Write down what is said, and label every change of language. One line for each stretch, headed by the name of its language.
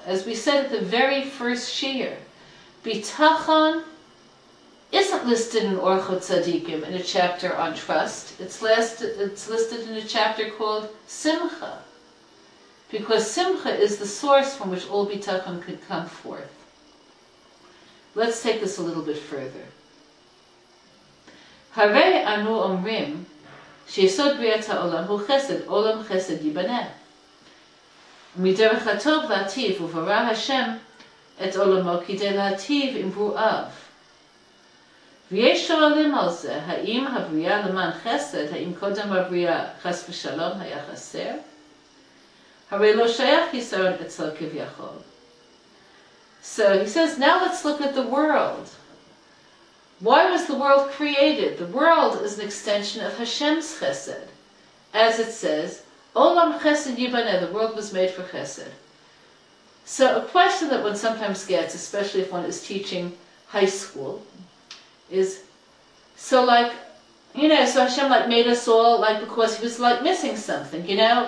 English: As we said at the very first shiur, bitachon isn't listed in Orchot Tzadikim in a chapter on trust. It's listed in a chapter called Simcha, because Simcha is the source from which all bitachon could come forth. Let's take this a little bit further.
Hebrew: Hare anu omrim, שיסוד בריאת העולם הוא חסד, עולם חסד ייבנה. מדרך הטוב להטיב, וברא השם את עולמו כדי להטיב עם ברואיו. ויש שואלים על זה, האם הבריאה למען חסד, האם קודם הבריאה חס ושלום היה חסר? הרי לא שייך חיסרון אצל כביכול.
English: So he says, now let's look at the world. Why was the world created? The world is an extension of Hashem's chesed. As it says,
Hebrew: Olam chesed yibaneh,
English: the world was made for chesed. So a question that one sometimes gets, especially if one is teaching high school, is, so like, you know, so Hashem like made us all like because he was like missing something, you know?